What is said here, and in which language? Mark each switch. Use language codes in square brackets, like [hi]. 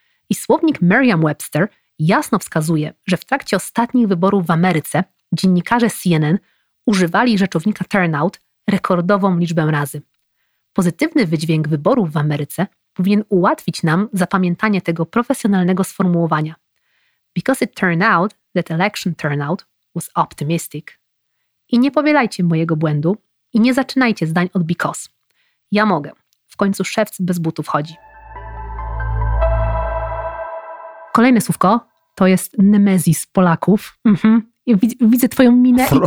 [pl] I słownik Merriam-Webster jasno wskazuje, że w trakcie ostatnich wyborów w Ameryce dziennikarze CNN używali rzeczownika turnout rekordową liczbę razy. Pozytywny wydźwięk wyborów w Ameryce powinien ułatwić nam zapamiętanie tego profesjonalnego sformułowania. [en] Because it turned out that election turnout was optimistic. [pl] I nie powielajcie mojego błędu i nie zaczynajcie zdań od because. Ja mogę. W końcu szewc bez butów chodzi. Kolejne słówko to jest nemesis Polaków. Widzę twoją minę.